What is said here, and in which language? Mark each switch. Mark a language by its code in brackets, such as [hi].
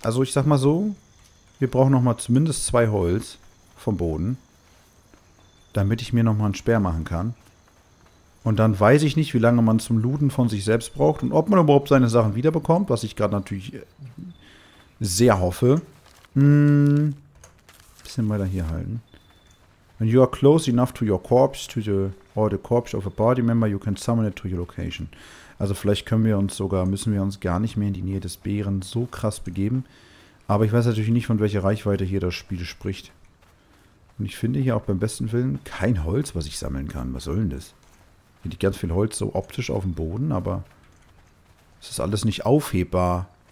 [de] Also ich sag mal so, wir brauchen nochmal zumindest zwei Holz vom Boden, damit ich mir nochmal einen Speer machen kann. Und dann weiß ich nicht, wie lange man zum Looten von sich selbst braucht und ob man überhaupt seine Sachen wiederbekommt, was ich gerade natürlich sehr hoffe. Bisschen weiter hier halten. [en] When you are close enough to your corpse, or the corpse of a party member, you can summon it to your location. [de] Also vielleicht müssen wir uns gar nicht mehr in die Nähe des Bären so krass begeben. Aber ich weiß natürlich nicht, von welcher Reichweite hier das Spiel spricht. Und ich finde hier auch beim besten Willen kein Holz, was ich sammeln kann. Was soll denn das? Hier liegt ganz viel Holz so optisch auf dem Boden, aber es ist alles nicht aufhebbar.